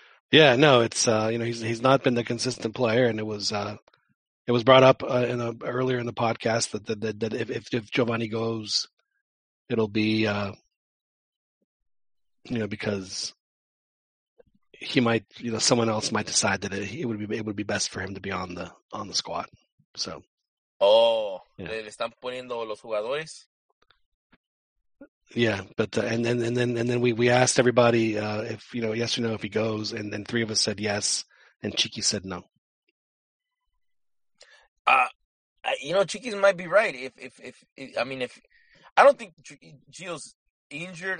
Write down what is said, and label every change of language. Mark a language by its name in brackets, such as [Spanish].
[English] Yeah, no, it's he's not been the consistent player, and it was brought up earlier in the podcast that if Giovanni goes, it'll be because he might, someone else might decide that it would be best for him to be on the squad. So. Oh, yeah. [Spanish] ¿Le están poniendo los jugadores? [English] Yeah, but and then we asked everybody if yes or no if he goes, and then three of us said yes, and Chiqui said no. Chiqui might be right. If I don't think Gio's injured.